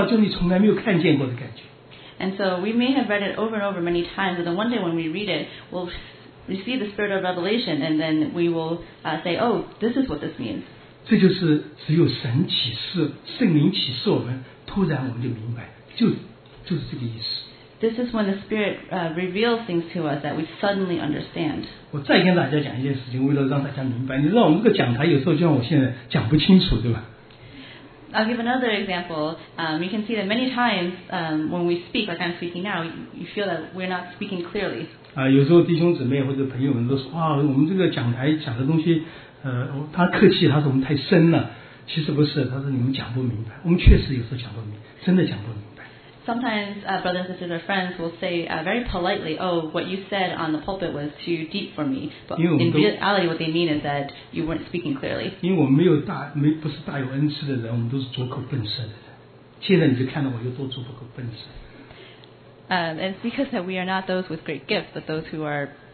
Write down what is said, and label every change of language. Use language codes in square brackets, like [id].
[zh] 但突然有一天圣灵光照我们，哇，这些圣经一下变得就特别的清楚，就感觉到就你从来没有看见过的感觉。 [en] And so we may have read it over and over many times, but then one day when we read it, we'll receive the spirit of revelation, and then we will say, oh, this is what this means. [zh] 这就是只有神启示，圣灵启示我们，突然我们就明白，就是这个意思。 [en] This is when the spirit reveals things to us that we suddenly understand. [zh] 我再跟大家讲一件事情，为了让大家明白，你知道我们这个讲台有时候就像我现在讲不清楚，对吧？ [en] I'll give another example. You can see that many times when we speak, like I'm speaking now, you feel that we're not speaking clearly. [zh] 有时候弟兄姊妹或者朋友们都说，我们这个讲台讲的东西，他客气，他说我们太深了。其实不是，他说你们讲不明白。我们确实有时候讲不明白，真的讲不明白。 [en] Sometimes brothers and sisters or friends will say very politely, oh, what you said on the pulpit was too deep for me. But in reality, what they mean is that you weren't speaking clearly. It's because that we are not those with great gifts, but those who are...